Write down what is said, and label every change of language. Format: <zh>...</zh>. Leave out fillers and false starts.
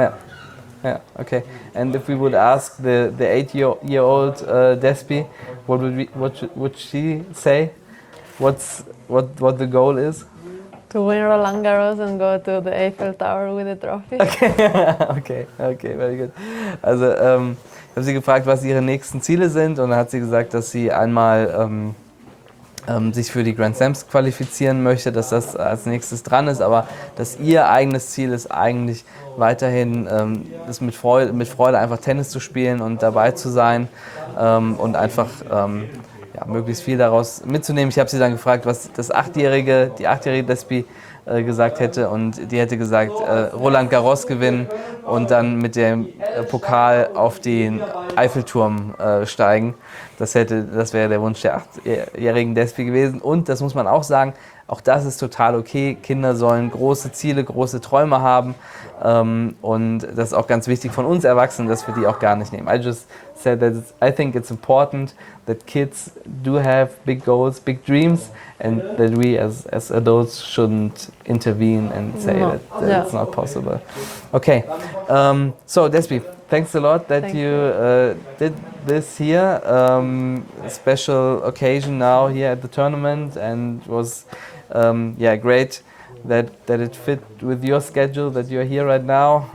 <en>Yeah. Yeah, okay. And if we would ask the 8-year-old Despi, what would she say? What the goal is? To win Roland Garros and go to the Eiffel Tower with the trophy. Okay, very good.</en> <de>Also, ich habe sie gefragt, was ihre nächsten Ziele sind, und dann hat sie gesagt, dass sie einmal sich für die Grand Slams qualifizieren möchte, dass das als nächstes dran ist, aber dass ihr eigenes Ziel ist eigentlich weiterhin das mit Freude einfach Tennis zu spielen und dabei zu sein und einfach möglichst viel daraus mitzunehmen. Ich habe sie dann gefragt, was die achtjährige Despi gesagt hätte, und die hätte gesagt, Roland Garros gewinnen und dann mit dem Pokal auf den Eiffelturm steigen. Das wäre der Wunsch der achtjährigen Despi gewesen. Und das muss man auch sagen, auch das ist total okay. Kinder sollen große Ziele, große Träume haben. Und das ist auch ganz wichtig von uns Erwachsenen, dass wir die auch gar nicht nehmen.</de> <en>I just said that I think it's important that kids do have big goals, big dreams, and that we as adults shouldn't intervene and say that it's not possible. Okay, so Despi, thanks a lot that you did this here, special occasion now here at the tournament, and was great that it fit with your schedule that you're here right now.</en>